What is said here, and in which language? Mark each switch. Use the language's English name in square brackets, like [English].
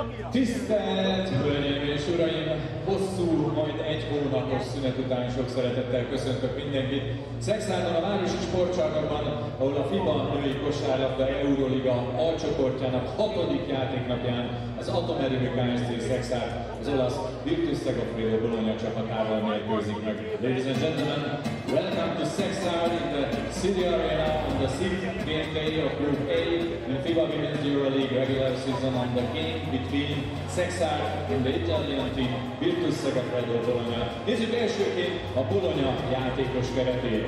[Hungarian] Tisztelt Hölgyeim és Uraim! Hosszú, majd egy hónapos szünet után sok szeretettel köszöntök mindenkit. Szekszárdon a Városi Sportcsarnokban, ahol a FIBA női kosárlabda Euroliga A csoportjának 6. játéknapján az Atomerőmű KSC Szekszárd az olasz Virtus Segafredo Bologna csapatával mérkőzik meg. [English] Ladies and gentlemen, welcome to Szekszárd in the City Arena on the 6th game day of Group A in the FIBA Women's Euroleague regular season on the game between Szekszárd and the Italian team Virtus Segafredo Bologna. [Hungarian] Nézzük elsőként a Bologna játékos keretét.